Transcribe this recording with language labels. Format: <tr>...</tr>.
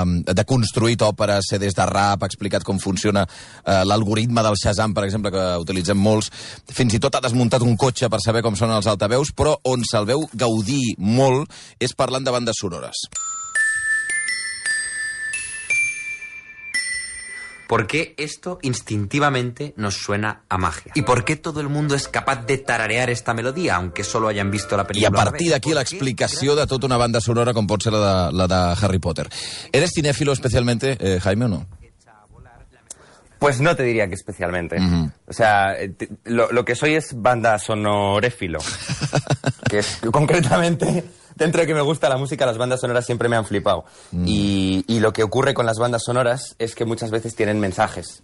<ca>De construït òperes, CDs de rap, ha explicat com funciona l'algoritme del Shazam, per exemple, que utilitzem molts. Fins i tot ha desmuntat un cotxe per saber com sonen els altaveus, però on se'l veu gaudir molt és parlant de bandes sonores.</ca> <es>¿Por qué esto instintivamente nos suena a magia? ¿Y por qué todo el mundo es capaz de tararear esta melodía, aunque solo hayan visto la película?</es> <ca>I a partir d'aquí l'explicació de tota una banda sonora com pot ser la de Harry Potter.</ca> <es>¿Eres cinéfilo especialmente, Jaime, o no? Pues no te diría que especialmente. Uh-huh. O sea, lo que soy es banda sonoréfilo. Que es concretamente, dentro de que me gusta la música, las bandas sonoras siempre me han flipado. Mm. Y lo que ocurre con las bandas sonoras es que muchas veces tienen mensajes.</es>